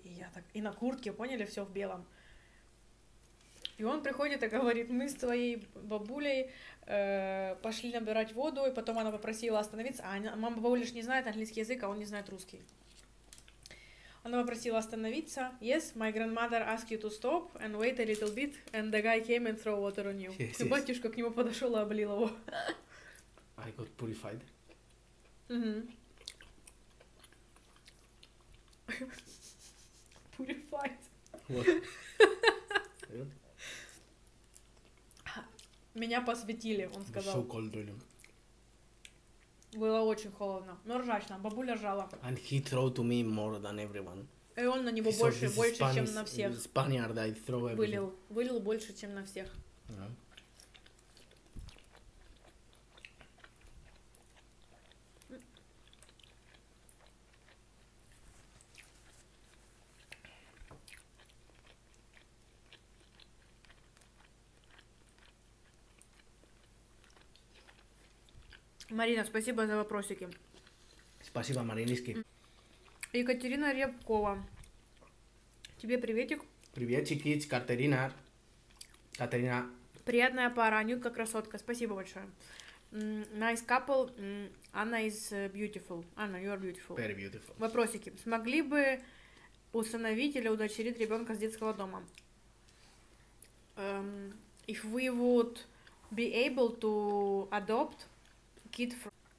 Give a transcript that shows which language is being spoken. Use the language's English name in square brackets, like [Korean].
[Russian] И я так, и на куртке, поняли, все в белом. И он приходит и говорит, мы с твоей бабулей пошли набирать воду, и потом она попросила остановиться, а мама бабули же не знает английский язык, а он не знает русский. Она попросила остановиться. [English] Yes, my grandmother asked you to stop and wait a little bit, and the guy came and threw water on you. Yes, yes. [Russian] Батюшка к нему подошел и облил его. [English] I got purified. Purified. What? [Russian] Меня посвятили, он сказал. [English] So cold, really. [Russian] Было очень холодно. Но ржачно, бабуля ржала. [English] And he threw to me more than everyone. [Russian] И он на него больше, чем на всех. [English] Spaniard, I throw everything. [Russian] Вылил больше, чем на всех. Марина, спасибо за вопросики. Спасибо, Маринишки. Екатерина Рябкова. Тебе приветик. Приветик, Катерина. Катерина. Приятная пара, Анютка, красотка. Спасибо большое. [English] Nice couple. Anna is beautiful. Anna, you are beautiful. Very beautiful. [Russian] Вопросики. Смогли бы усыновить или удочерить ребенка с детского дома? [English] If we would be able to adopt kid from...